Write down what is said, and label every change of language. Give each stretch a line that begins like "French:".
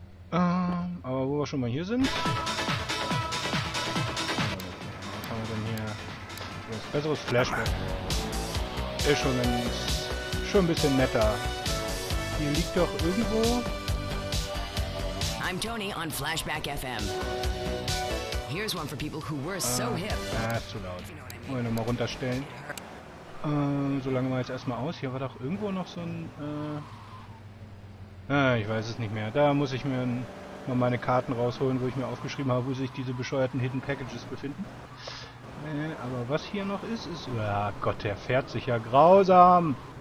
German: Aber wo wir schon mal hier sind. Was haben wir denn hier? Was besseres Flashback. Ist schon ein bisschen netter. Hier liegt doch irgendwo.
English: I'm Tony on Flashback FM. Here's one for people who were so hip.
German: Ah, ist zu laut. Wollen wir nochmal runterstellen. Solange wir jetzt erstmal aus. Hier war doch irgendwo noch so ein. Ich weiß es nicht mehr. Da muss ich mir mal meine Karten rausholen, wo ich mir aufgeschrieben habe, wo sich diese bescheuerten Hidden Packages befinden. Aber was hier noch ist, ist... Oh Gott, der fährt sich ja grausam!